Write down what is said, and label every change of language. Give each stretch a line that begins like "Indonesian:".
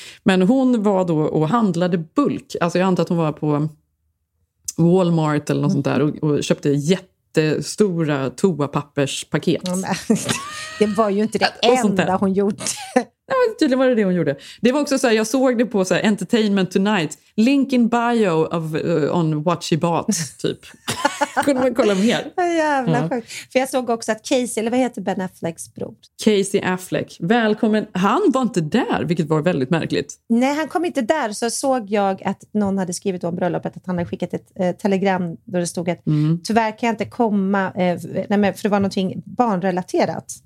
Swedish: Men hon var då och handlade bulk. Alltså jag antar att hon var på Walmart eller något sånt där och köpte jättestora toapapperspaket. Det var ju inte det enda hon gjorde. Nej, men tydligen var det det hon gjorde. Det var också så här, jag såg det på så här, Entertainment Tonight.
English: Link in bio of, on what she bought, typ.
Swedish: Kunde man kolla mer? Jävla sjukt. För jag såg också att Casey, eller vad heter Ben Afflecks bror? Casey Affleck. Välkommen. Han var inte där, vilket var väldigt märkligt. Nej, han kom inte där. Så såg jag att någon hade skrivit om bröllopet att han hade skickat ett telegram där det stod att tyvärr kan jag inte komma, nej, men, för det var någonting barnrelaterat.